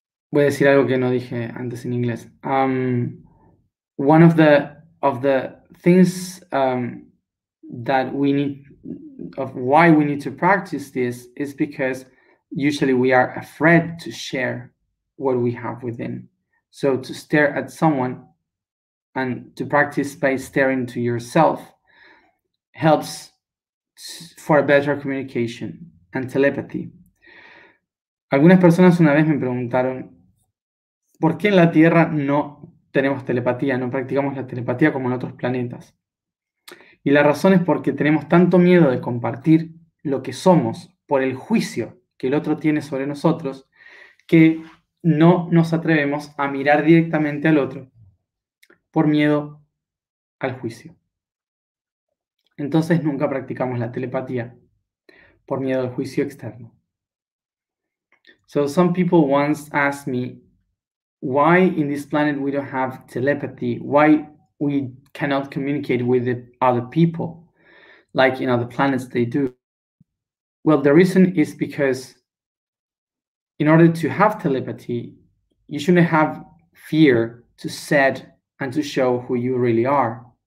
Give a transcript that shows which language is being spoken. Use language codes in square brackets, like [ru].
[es] Voy a decir algo que no dije antes en inglés. [en] Why we need to practice this is because usually we are afraid to share what we have within. So to stare at someone and to practice by staring to yourself helps for a better communication and telepathy. [es] Algunas personas una vez me preguntaron, ¿por qué en la Tierra no tenemos telepatía, no practicamos la telepatía como en otros planetas? Y la razón es porque tenemos tanto miedo de compartir lo que somos por el juicio que el otro tiene sobre nosotros, que no nos atrevemos a mirar directamente al otro por miedo al juicio. Entonces nunca practicamos la telepatía por miedo al juicio externo. [en] So some people once asked me, why in this planet we don't have telepathy? Why we cannot communicate with the other people like in other planets they do? Well, the reason is because in order to have telepathy, you shouldn't have fear to set and to show who you really are.